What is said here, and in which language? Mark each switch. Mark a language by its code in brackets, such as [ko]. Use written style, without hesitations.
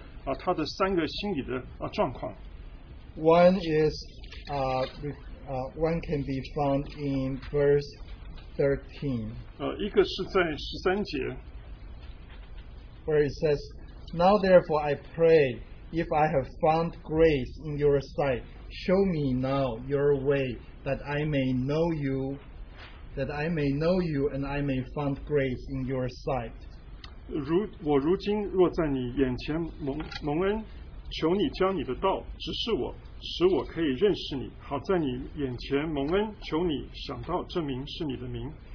[zh] 我们弟兄特别提到在出埃及记33章里头摩西的他的三个心理的状况。 [en] One is one can be found in verse 13, where it says, Now therefore I pray, if I have found grace in your sight, show me now your way, that I may know you, and I may find grace in your sight. [zh] 我如今若在你眼前蒙恩，求你将你的道指示我。使我可以认识你，好在你眼前蒙恩，求你想到这名是你的名。